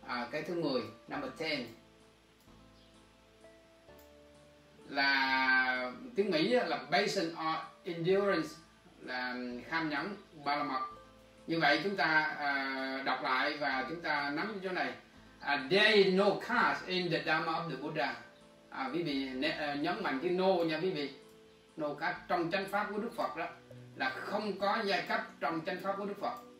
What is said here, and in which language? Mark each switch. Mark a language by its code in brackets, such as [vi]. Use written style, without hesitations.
[vi] Cái thứ 10, [en] number 10, [vi] là tiếng Mỹ á, là [en] Basin or Endurance, [vi] là kham nhẫn, ba la mật. Như vậy chúng ta đọc lại và chúng ta nắm chỗ này. [en] There is no caste in the Dharma of the Buddha. [vi] Quý vị nhấn mạnh cái no nha quý vị. [en] No caste [vi] trong chánh pháp của Đức Phật đó, là không có giai cấp trong chánh pháp của Đức Phật.